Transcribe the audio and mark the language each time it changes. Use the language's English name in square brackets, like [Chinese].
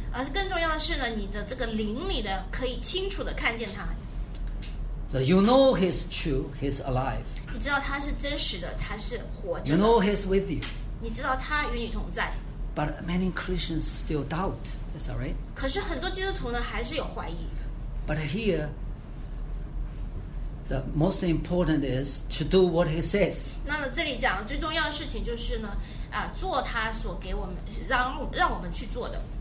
[Chinese] 而更重要的是呢，你的这个灵里的可以清楚的看见他。 [English] So you know he's true, he's alive. [Chinese] 你知道他是真实的，他是活着的。 [English] You know he's with you. [Chinese] 你知道他与你同在。 [English] But many Christians still doubt. Is that right? [Chinese] 可是很多基督徒呢还是有怀疑。 [English] But here, the most important is to do what he says. [Chinese] 那呢这里讲最重要的事情就是呢，做他所给我们让我们去做的。